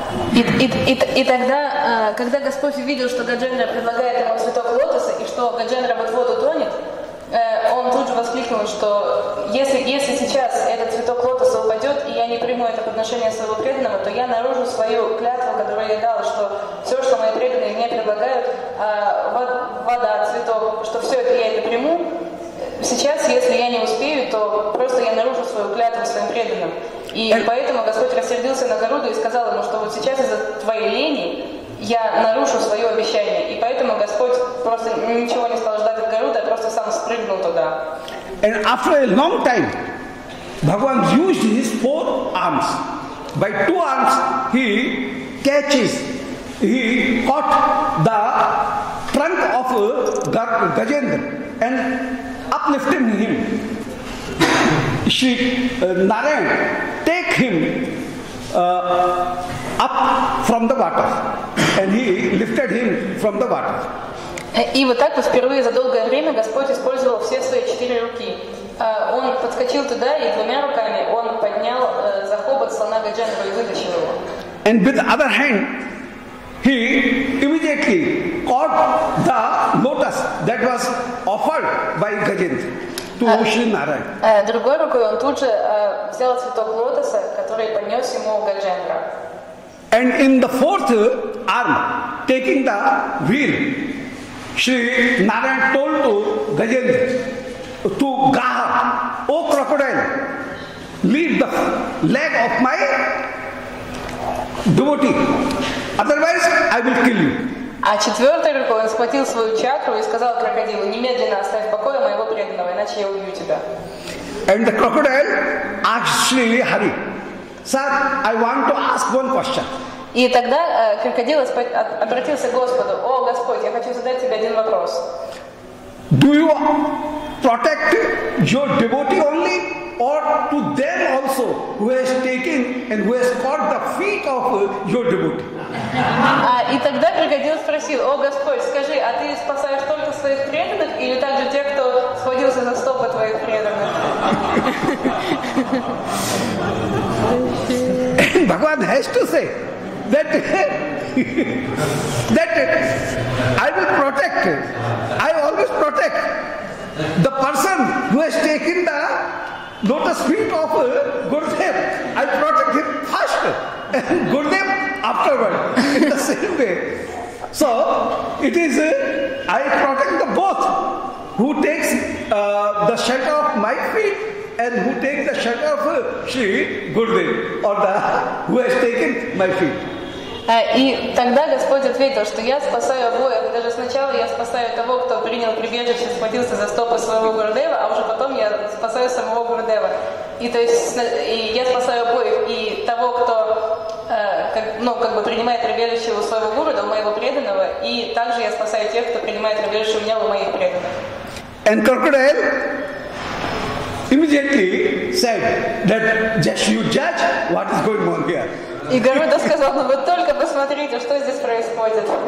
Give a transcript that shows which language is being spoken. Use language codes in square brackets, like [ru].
[ru] И тогда, когда Господь увидел, что Гаджендра предлагает ему цветок лотоса и что Гаджендра в воду тонет, он тут же воскликнул, что если сейчас этот цветок лотоса упадет, и я не приму это подношение своего преданного, то я нарушу свою клятву, которую я дал, что все, что мои преданные мне предлагают, вода, цветок, что все это я не приму. Сейчас, если я не успею, то просто я нарушу свою свою клятву своим преданным. И поэтому Господь рассердился на Гаруду и сказал ему, что вот сейчас из-за твоей лени я нарушу свое обещание. И поэтому Господь просто ничего не стал ждать от Гаруды, а просто сам спрыгнул туда. [en] And after a long time, Bhagavan used his four arms. By two arms, he caught the trunk of Gajendra and uplifted him. Shri Narayan, take him up from the water. And he lifted him from the water. [ru] И вот так вот впервые за долгое время Господь использовал все свои четыре руки. Он подскочил туда, и двумя руками он поднял за хобот слона Гаджендру и вытащил его. [en] And with the other hand, he immediately caught the lotus that was offered by Gajendra to Shri Narayan. [ru] Другой рукой он тут же взял цветок лотоса, который поднес ему Гаджендра. [en] And in the fourth arm, taking the wheel, Shri Narayan told to Gajendra, to Gaha, O crocodile, leave the leg of my devotee, otherwise I will kill you. [ru] А четвертой рукой он схватил свою чакру и сказал крокодилу, немедленно оставь в покое моего преданного, иначе я убью тебя. [en] And the crocodile asked Shri Hari, sir, I want to ask one question. [ru] И тогда крокодил обратился к Господу. О, Господь, я хочу задать тебе один вопрос. [en] Do you protect your devotee only or to them also who has taken and who has caught the feet of your devotee? [ru] И тогда крокодил спросил. О, Господь, скажи, а ты спасаешь только своих преданных или также тех, кто схватился за стопы твоих преданных? [en] And Bhagavan has to say, That I will protect. I always protect the person who has taken the lotus feet of Gurudev. I protect him first and Gurudev afterward in the same way. So it is I protect the both who takes the shelter of my feet and who takes the shelter of Shri Gurudev or the who has taken my feet. [ru] И тогда Господь ответил, что я спасаю обоих. Даже сначала я спасаю того, кто принял прибежище, схватился за стопы своего Гурудева, а уже потом я спасаю самого Гурудева. И то есть и я спасаю обоих, и того, кто принимает прибежище у своего гуру, у моего преданного, и также я спасаю тех, кто принимает прибежище у меня, у моих преданных. [en] And crocodile immediately said that just you judge what is going on here. [ru] И Гаруда сказал, ну вы только посмотрите, что здесь происходит.